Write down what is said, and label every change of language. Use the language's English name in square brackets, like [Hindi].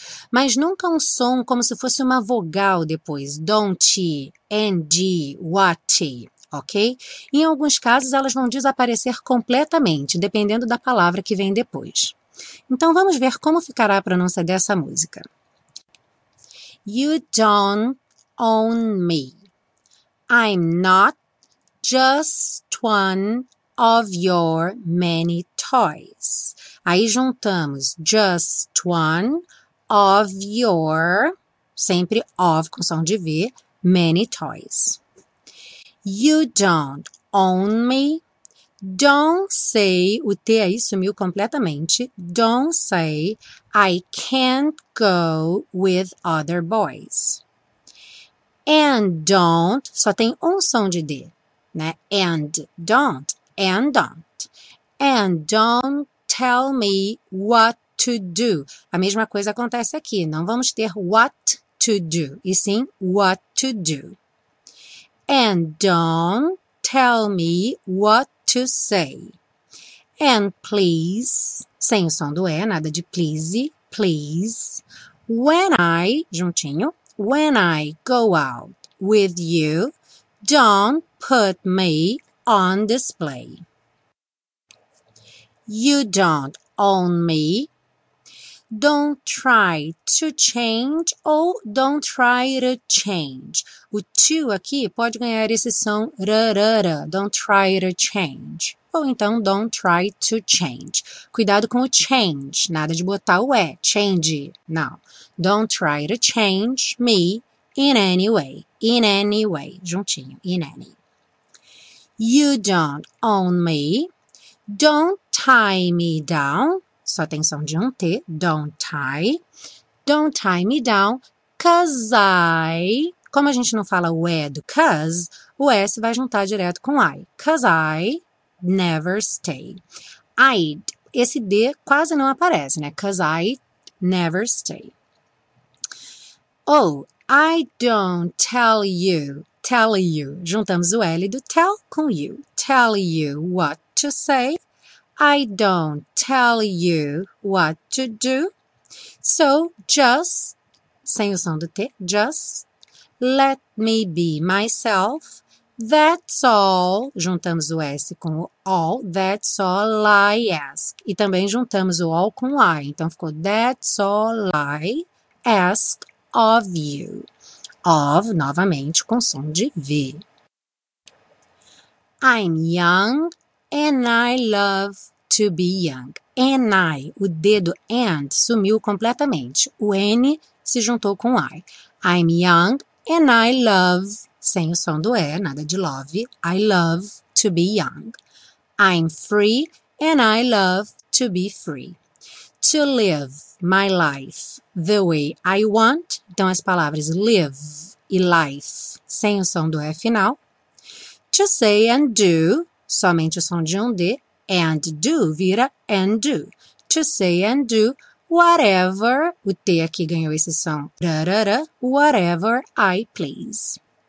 [Portuguese] Mas nunca um som como se fosse uma vogal depois. [English] Don't. And. What? Ok? [Portuguese] Em alguns casos, elas vão desaparecer completamente, dependendo da palavra que vem depois. Então, vamos ver como ficará a pronúncia dessa música. [English] You don't own me. I'm not just one of your many toys. [Portuguese] Aí juntamos [English] just one of your, [Portuguese] sempre of com som de V, [English] many toys. You don't own me. Don't say, [Portuguese] o T aí sumiu completamente. [English] Don't say I can't go with other boys. And don't, [Portuguese] só tem um som de D. [English] Né? And don't, and don't. And don't tell me what to do. [Portuguese] A mesma coisa acontece aqui. Não vamos ter [English] what to do, [Portuguese] e sim what to do. [English] And don't tell me what to say. And please, [Portuguese] sem o som do E, nada de [English] please, please. When I, juntinho, when I go out with you, don't put me on display. You don't own me. Don't try to change ou don't try to change. [Portuguese] O to aqui pode ganhar esse som rarara, [English] don't try to change. [Portuguese] Ou então, [English] don't try to change. [Portuguese] Cuidado com o change, nada de botar o E, change, não. [English] Don't try to change me in any way, [Portuguese] juntinho, [English] in any. You don't own me, don't tie me down, [Portuguese] só tem som de um T, [English] don't tie me down, cause I, [Portuguese] como a gente não fala o E do cause, o S vai juntar direto com [English] I, cause I never stay. I'd, [Portuguese] esse D quase não aparece, né, [English] cause I never stay. Oh, I don't tell you, tell you, [Portuguese] juntamos o L do tell com you, [English] tell you what to say. I don't tell you what to do, so just, [Portuguese] sem o som do T, [English] just let me be myself, that's all, [Portuguese] juntamos o S com o all, [English] that's all I ask, [Portuguese] e também juntamos o all com o I, então ficou [English] that's all I ask of you, of, [Portuguese] novamente, com som de V. [English] I'm young and I love to be young. And I, [Portuguese] o dedo and sumiu completamente. O N se juntou com I. [English] I'm young and I love, [Portuguese] sem o som do E, nada de love. [English] I love to be young. I'm free and I love to be free. To live my life the way I want. [Portuguese] Então as palavras live e life, sem o som do E final. [English] To say and do, [Portuguese] somente o som de um D. [English] And do, [Portuguese] vira [English] and do. To say and do whatever, [Portuguese] o T aqui ganhou esse som, rarara, [English] whatever I please.